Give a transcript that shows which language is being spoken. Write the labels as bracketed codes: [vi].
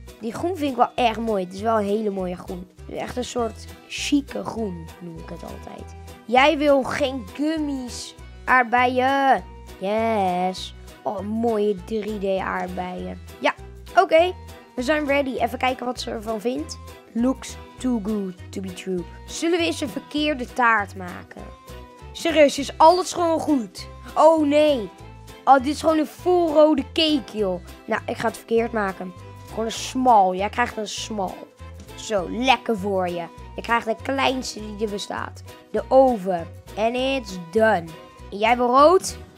[nl] Die groen vind ik wel erg mooi. Het is wel een hele mooie groen. Echt een soort chique groen, noem ik het altijd. Jij wil geen gummies aardbeien. Yes. Oh, mooie 3D aardbeien. Ja, oké. We zijn ready. Even kijken wat ze ervan vindt. [en] Looks too good to be true. [nl] Zullen we eens een verkeerde taart maken? Serieus, is alles gewoon goed? Oh, nee. Oh, dit is gewoon een full rode cake, joh. Nou, ik ga het verkeerd maken. Gewoon een small. Jij krijgt een small. Zo, lekker voor je. Je krijgt de kleinste die er bestaat. De oven. [en] And it's done. [nl] Jij wil rood?